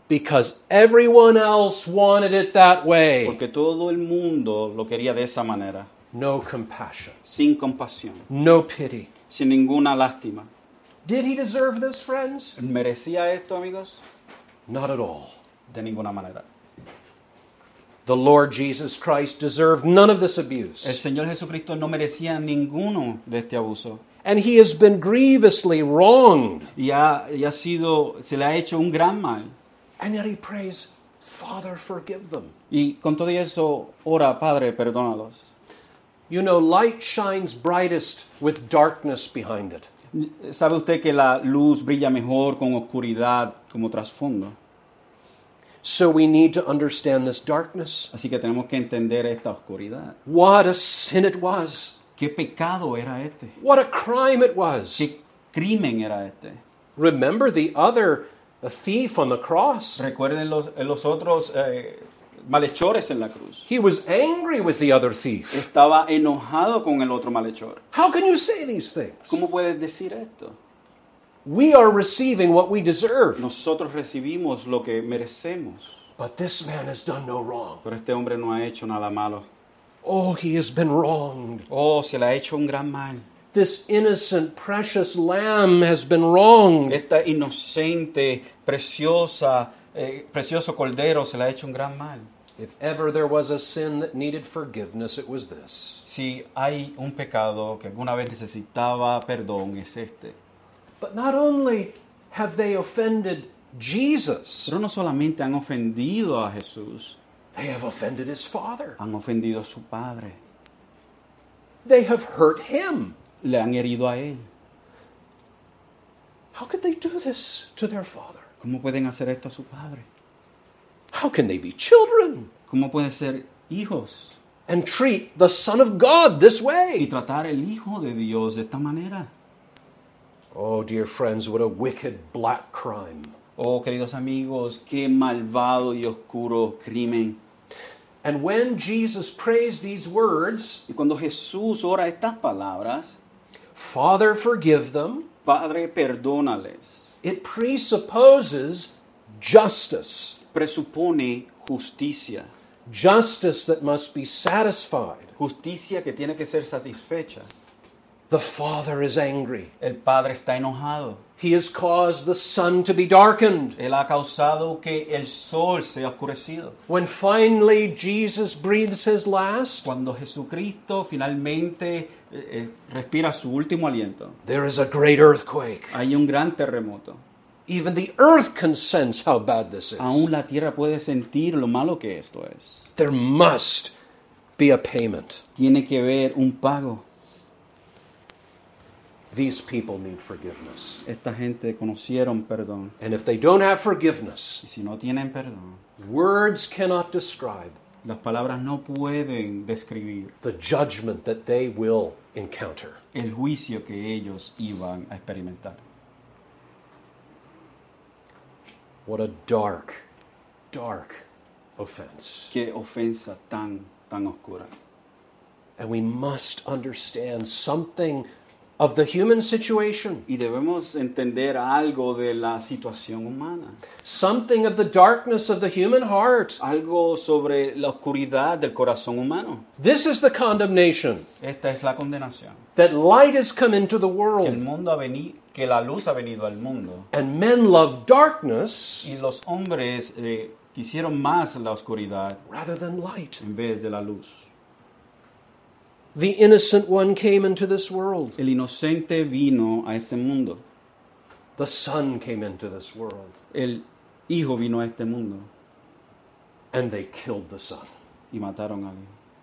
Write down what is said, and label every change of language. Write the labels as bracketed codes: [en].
[en] Because everyone else wanted it that way. [es] Porque todo el mundo lo quería de esa manera. [en] No compassion. [es] Sin compasión. [en] No pity. [es] Sin ninguna lástima. [en] Did he deserve this, friends? [es] ¿Merecía esto, amigos? [en] Not at all. [es] De ninguna manera. [en] The Lord Jesus Christ deserved none of this abuse. [es] El Señor Jesucristo no merecía ninguno de este abuso. [en] And he has been grievously wronged. [es] Se le ha hecho un gran mal. [en] And yet he prays, Father, forgive them. [es] Y con todo eso, ora, Padre, perdónalos. [en] You know, light shines brightest with darkness behind it. [es] ¿Sabe usted que la luz brilla mejor con oscuridad como trasfondo? [en] So we need to understand this darkness. [es] Así que tenemos que entender esta oscuridad. [en] What a sin it was. [es] ¿Qué pecado era este? [en] What a crime it was. [es] ¿Qué crimen era este? [en] Remember the other thief on the cross. [es] Recuerden los otros malhechores en la cruz. [en] He was angry with the other thief. [es] Estaba enojado con el otro malhechor. [en] How can you say these things? [es] ¿Cómo puedes decir esto? [en] We are receiving what we deserve. [es] Nosotros recibimos lo que merecemos. [en] But this man has done no wrong. [es] Pero este hombre no ha hecho nada malo. [en] Oh, he has been wronged. [es] Oh, se le ha hecho un gran mal. [en] This innocent, precious lamb has been wronged. [es] Esta inocente, preciosa, precioso cordero se le ha hecho un gran mal. [en] If ever there was a sin that needed forgiveness, it was this. [es] Si hay un pecado que alguna vez necesitaba perdón, es este. [en] But not only have they offended Jesus. [es] Pero no solamente han ofendido a Jesús. [en] They have offended his father. [es] Han ofendido a su padre. [en] They have hurt him. [es] Le han herido a él. [en] How could they do this to their father? [es] ¿Cómo pueden hacer esto a su padre? [en] How can they be children? [es] ¿Cómo pueden ser hijos? [en] And treat the Son of God this way. [es] Y tratar el Hijo de Dios de esta manera. [en] Oh, dear friends, what a wicked black crime. [es] Oh, queridos amigos, qué malvado y oscuro crimen. [en] And when Jesus prays these words, [es] y cuando Jesús ora estas palabras, [en] Father, forgive them, [es] Padre, perdónales, [en] it presupposes justice. [es] Presupone justicia. [en] Justice that must be satisfied. [es] Justicia que tiene que ser satisfecha. [en] The Father is angry. [es] El Padre está enojado. [en] He has caused the sun to be darkened. [es] Él ha causado que el sol sea oscurecido. [en] When finally Jesus breathes his last, [es] cuando Jesucristo finalmente respira su último aliento, [en] there is a great earthquake. [es] Hay un gran terremoto. [en] Even the earth can sense how bad this is. [es] Aún la tierra puede sentir lo malo que esto es. [en] There must be a payment. [es] Tiene que haber un pago. [en] These people need forgiveness. [es] Esta gente conocieron perdón. [en] And if they don't have forgiveness, [es] y si no tienen perdón, [en] words cannot describe, [es] las palabras no pueden describir, [en] the judgment that they will encounter. [es] El juicio que ellos iban a experimentar. [en] What a dark, dark offense. [es] Qué ofensa tan, tan oscura. [en] And we must understand something of the human situation. [es] Y debemos entender algo de la situación humana. [en] Something of the darkness of the human heart. [es] Algo sobre la oscuridad del corazón humano. [en] This is the condemnation. [es] Esta es la condenación. [en] That light has come into the world. [es] Que la luz ha venido al mundo. [en] And men love darkness. [es] Y los hombres quisieron más la oscuridad. [en] Rather than light. [es] En vez de la luz. [en] The innocent one came into this world. [es] El inocente vino a este mundo. [en] The Son came into this world. [es] El hijo vino a este mundo. [en] And they killed the son. [es] Y mataron al hijo.